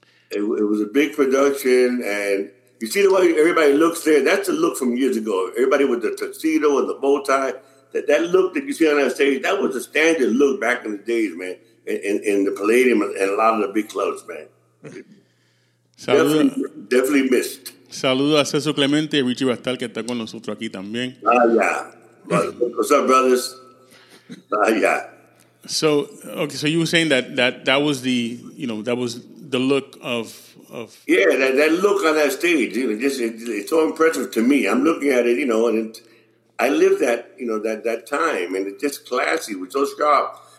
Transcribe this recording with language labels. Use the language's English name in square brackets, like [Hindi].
[English] It was a big production, and you see the way everybody looks there? That's a look from years ago. Everybody with the tuxedo and the bow tie. That look that you see on that stage, that was a standard look back in the days, man, in the Palladium and a lot of the big clubs, man. Definitely missed. [Spanish] Saludos a César Clemente y Richie Bastal, que está con nosotros aquí también. [English] What's up, brothers? So you were saying that was the, you know, that was the look of... Yeah, that look on that stage, you know, it's so impressive to me. I'm looking at it, you know, and I lived that, you know, that time, and it's just classy. It was so sharp.